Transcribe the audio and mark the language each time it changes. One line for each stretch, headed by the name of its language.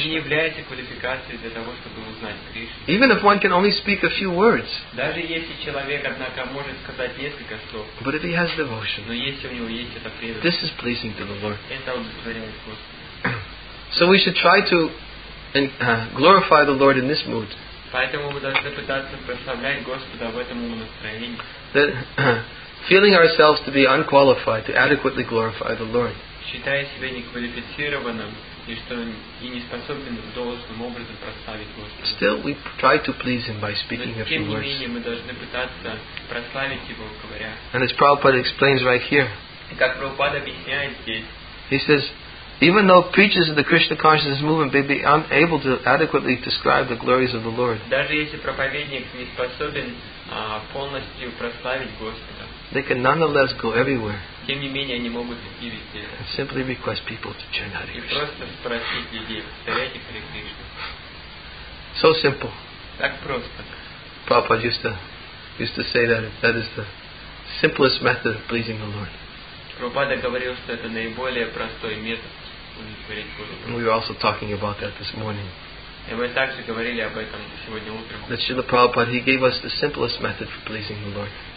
Russian: Это не является квалификацией для того, чтобы узнать Кришну.
English: Even if one can only speak a few words,
Russian: даже если человек, однако, может сказать несколько слов,
English: but if he has devotion,
Russian: но если у него есть это преданность,
English: this is pleasing to the Lord.
Russian: Это удовлетворяет Господа.
English: So we should try to glorify the Lord in this mood.
Russian: Поэтому мы должны пытаться прославлять Господа в этом настроении.
English: That feeling ourselves to be unqualified to adequately glorify the Lord.
Russian: Считая себя неквалифицированным и что и не способным должным образом прославить Господа.
English: Still we try to please Him by speaking a few words.
Russian: Тем не менее мы должны пытаться прославить Его, говоря.
English: And as Prabhupada explains right here.
Russian: Как Прабхупада объясняет здесь.
English: He says, even though preachers of the Krishna consciousness movement may be unable to adequately describe the glories of the Lord, they can nonetheless go everywhere.
Russian: Тем не менее, они могут идти везде.
English: And simply request people to chant Hare Krishna.
Russian: И просто спросить людей, повторяйте Харе Кришну.
English: So simple.
Russian: Так просто.
English: Prabhupada used to say that is the simplest method of pleasing the Lord.
Russian: Prabhupada говорил, что это наиболее простой метод удовлетворить Богу.
English: And we were also talking about that this morning.
Russian: И мы также говорили об этом сегодня утром.
English: That Srila Prabhupada, he gave us the simplest method for pleasing the Lord.